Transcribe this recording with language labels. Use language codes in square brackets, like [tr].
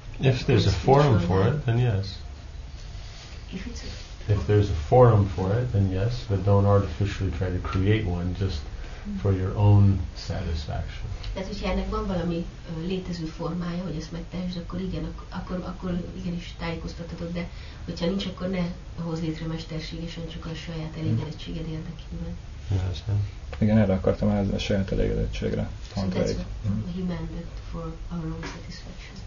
[en] if there's a forum for it, then yes. If there's a forum for it, then yes, but don't artificially try to create one just for your own satisfaction. [hu] Tehát, hogyha ennek van valami létező formája, hogy ezt megtehessd, akkor igen, akkor igenis tájékoztathatod, de hogyha nincs, akkor ne hozz létre mesterségesen, csak a saját elégedettséged érdekében. Igen, erre akartam állni a saját elégedettségre. [en] So that's what he meant, that for our own satisfaction.